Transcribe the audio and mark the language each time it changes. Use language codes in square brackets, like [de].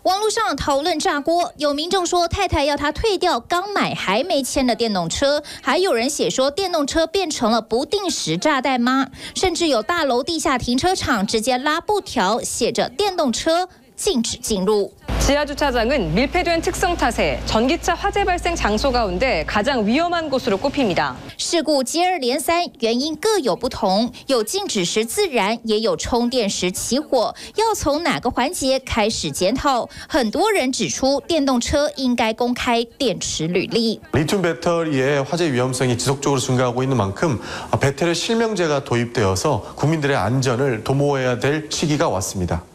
[zh] 网络上讨论炸锅，有民众说太太要他退掉刚买还没签的电动车，还有人写说电动车变成了不定时炸弹吗？甚至有大楼地下停车场直接拉布条，写着电动车禁止进入。 [ko] 지하주차장은밀폐된특성탓에전기차화재발생장소가운데가장위험한곳으로꼽힙니다 [zh] 事故接二连三，原因各有不同，有静止时自燃，也有充电时起火，要从哪个环节开始检讨？很多人指出电动车应该公开电池履历。 [ko] 리튬배터리의화재위험성이지속적으로증가하고있는만큼배터리실명제가도입되어서국민들의안전을도모해야될시기가왔습니다